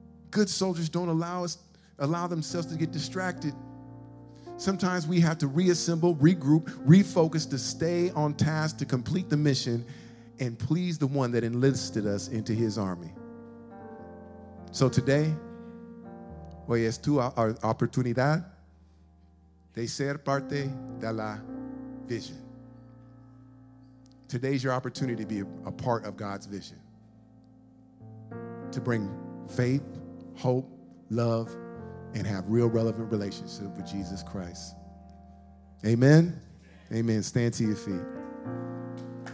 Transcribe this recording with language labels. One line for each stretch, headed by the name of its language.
English: Good soldiers don't allow themselves to get distracted. Sometimes we have to reassemble, regroup, refocus to stay on task, to complete the mission and please the one that enlisted us into his army. So today,
Spanish: hoy es tu oportunidad de ser parte de la vision.
English: Today's your opportunity to be a part of God's vision, to bring faith, hope, love, and have real relevant relationship with Jesus Christ. Amen? Amen. Stand to your feet.